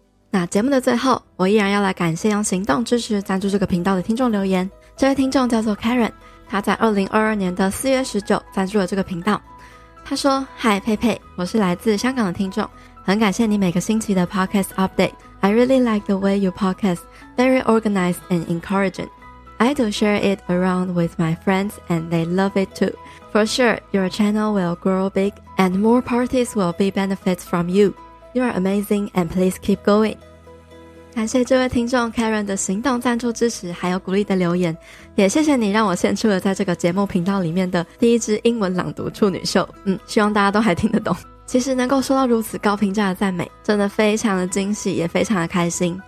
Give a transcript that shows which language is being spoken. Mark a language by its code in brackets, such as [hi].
[zh] 那节目的最后，我依然要来感谢用行动支持赞助这个频道的听众留言。这位听众叫做 Karen， 他在2022年的4月19赞助了这个频道。他说，嗨佩佩，我是来自香港的听众，很感谢你每个星期的 podcast update。 [en] I really like the way you podcast, very organized and encouraging. I do share it around with my friends and they love it too. For sure, your channel will grow big and more parties will be benefits from youYou are amazing and please keep going. [zh] 感谢这位听众 Karen 的行动赞助支持还有鼓励的留言，也谢谢你让我献出了在这个节目频道里面的第一支英文朗读处女秀。希望大家都还听得懂。其实能够收到如此高评价的赞美，真的非常的惊喜，也非常的开心。